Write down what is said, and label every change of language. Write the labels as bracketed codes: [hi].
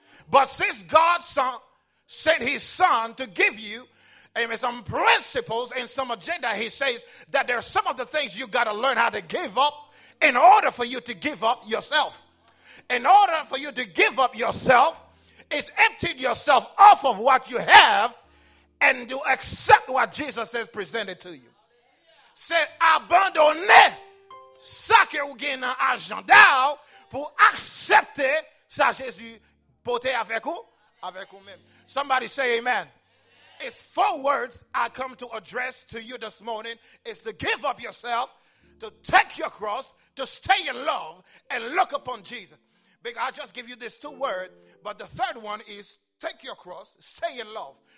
[en] But since God sent his son to give you, amen, some principles and some agenda, he says that there are some of the things you got to learn how to give up in order for you to give up yourself. In order for you to give up yourself is emptied yourself off of what you have and to accept what Jesus has presented to you. [fr] C'est abandonner ça que vous avez dans l'agenda pour accepter ça Jésus porté avec vous, avec vous-même. [en] Somebody say amen. Amen. It's four words I come to address to you this morning. It's to give up yourself, to take your cross, to stay in love, and look upon Jesus. Because I just give you these two words, but the third one is take your cross, stay in love.